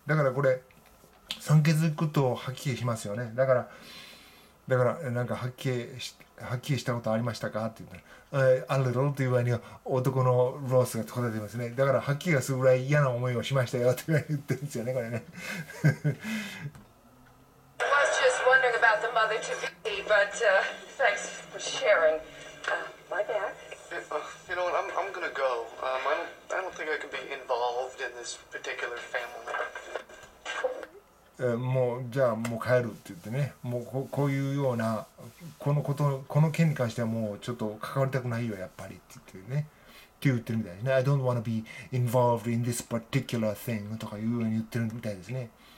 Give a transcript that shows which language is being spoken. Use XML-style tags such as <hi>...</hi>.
<ja>だからこれ酸欠行くと吐き気しますよね。だからなんか吐き気したことありましたかって言ったら、あるだろうという場合には男のロースが答えてますね。だから吐き気がするぐらい嫌な思いをしましたよって言ってるんですよね、これね。</ja> <en>I was just wondering about the mother to be, but thanks for sharing. My bad. You know what, I'm gonna go. I don't think I can be involved in this particular family.</en> <ja>もうじゃあもう帰るって言ってね。もう こういうようなこのこと、この件に関してはもうちょっと関わりたくないよやっぱりって言ってね。って言ってるみたいですね。</ja> <en>I don't wanna be involved in this particular thing</en> <ja>とかいうように言ってるみたいですね。</ja>